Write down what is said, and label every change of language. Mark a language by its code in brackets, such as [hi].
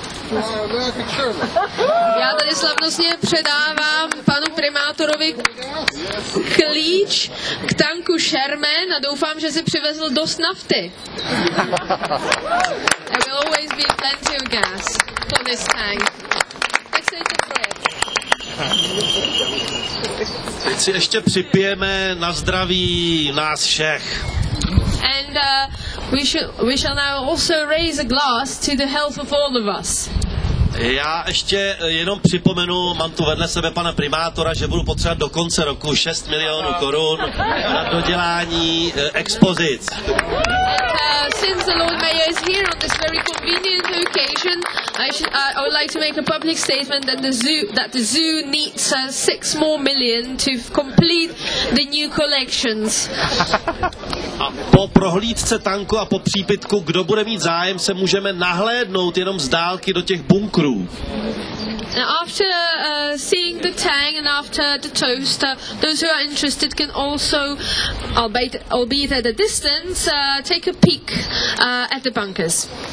[cs] Já tady slavnostně předávám panu primátorovi klíč k tanku Sherman a doufám, že si přivezl dost nafty. [en] There will always be plenty of gas for this tank. [cs] Tak se to projet. Teď si ještě připijeme na zdraví nás všech. [en] And we shall now also raise a glass to the health of all of us. [cs] Já ještě jenom připomenu, mám tu vedle sebe pana primátora, že budu potřebovat do konce roku 6 milionů korun na dodělání expozic. [en] Since the Lord Mayor is here on this very convenient occasion, I would like to make a public statement that the zoo needs 6 more million to complete the new collections. [cs] A po prohlídce tanku a po přípitku, kdo bude mít zájem, se můžeme nahlédnout jenom z dálky do těch bunkrů. [en] Now after seeing the tank and after the toast, those who are interested can also, albeit at a distance, take a peek at the bunkers.